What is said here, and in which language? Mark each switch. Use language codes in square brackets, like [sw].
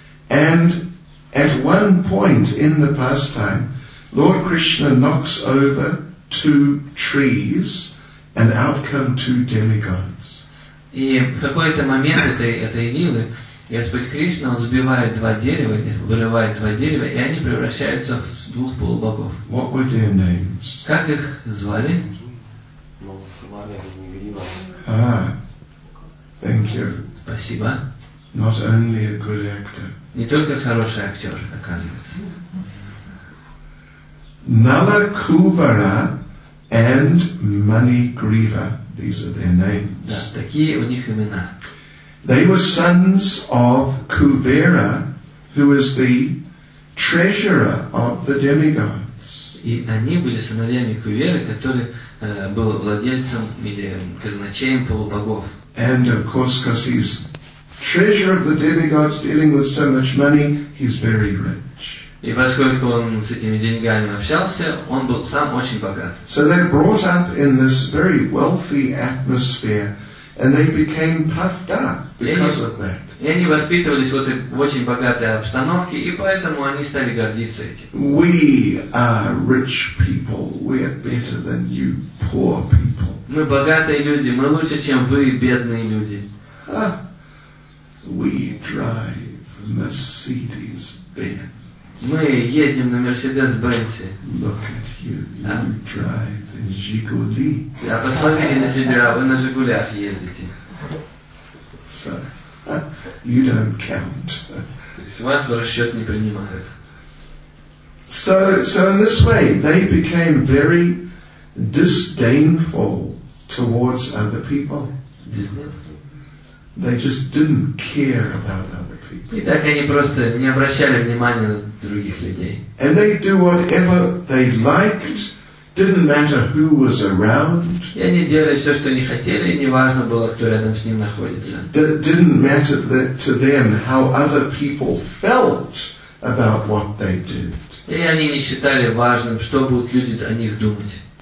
[en] And at one point in the pastime, Lord Krishna knocks over two trees, and out come two demigods. [ru] И в какой-то момент этой лилы Господь Кришна сбивает два дерева, вырывает два дерева, и они превращаются в двух полубогов. [en] What were their names? [ru] Как их звали? [en] Thank you. [ru] Спасибо. [en] Not only a good actor. [ru] Не только хороший актер, оказывается. [en] Nalakuvara and Manigriva. These are their names. [ru] Да, такие у них имена. [en] They were sons of Kuvera, who was the treasurer of the demigods. [ru] И они были сыновьями Кувера, который был владельцем или казначеем полубогов. [en] And of course, because he's treasurer of the demigods, dealing with so much money, he's very rich. [ru] И поскольку он с этими деньгами общался, он был сам очень богат. [en] So they brought up in this very wealthy atmosphere, and they became puffed up because of that. [ru] И они воспитывались вот в очень богатой обстановке, и поэтому они стали гордиться этим. [en] We are rich people. We are better than you, poor people. [ru] Мы богатые люди. Мы лучше, чем вы, бедные люди. [en] We drive Mercedes-Benz. [ru] Мы едем на Мерседес-Бенце. [en] Look at you. You drive in Жигули. [ru] Да, посмотрите на себя, вы на Жигулях ездите. [en] So, you don't count. [ru] Вас в расчет не принимают. [en] So in this way, they became very disdainful towards other people. They just didn't care about other people. [ru] И так они просто не обращали внимания на других людей. [en] And they do whatever they liked, didn't matter who was around. [ru] И они делали все, что они хотели, и не важно было, кто рядом с ним находится. [en] It didn't matter that to them how other people felt about what they did. [ru] И они не считали важным, что будут люди о них думать.